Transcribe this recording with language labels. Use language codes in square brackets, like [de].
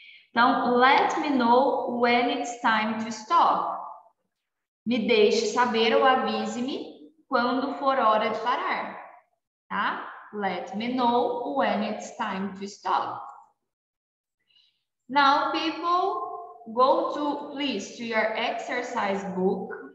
[pt] Então, [en] let me know when it's time to stop. [pt] Me deixe saber ou avise-me quando for hora de parar. Tá? [en] Let me know when it's time to stop. Now, people, go to, please, to your exercise book.